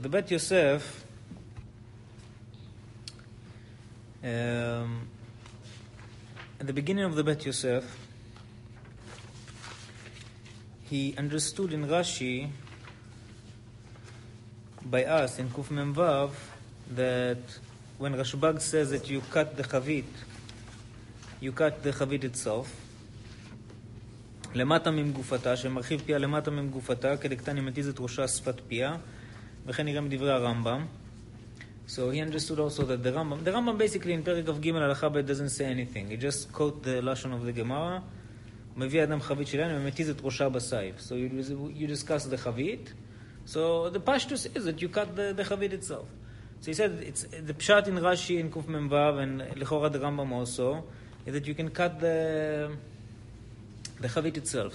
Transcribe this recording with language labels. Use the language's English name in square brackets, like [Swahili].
[English] The Bet Yosef at the beginning of the Bet Yosef, he understood in Rashi by us in Kuf Mem Vav that when Rashbag says that you cut the chavit, you cut the chavit itself. [Hebrew] למטה ממגופתה, שמרחיב פיה למטה ממגופתה, כדי קטן ימתיז את ראשה שפת פיה, וכן נראה מדברי הרמב״ם. [English] So he understood also that the Rambam, the Rambam basically in פרק of ג' הלכה ב' doesn't say anything. He just quote the lashon of the Gemara, מביא אדם חבית שלהן ומתיז את ראשה בסייף. So you discuss the חבית. So the Pashtus is that you cut the חבית itself. So he said, it's the פשט in Rashi in Kuf Mem Vav, and לכאורה the Rambam also, is that you can cut the chavit itself.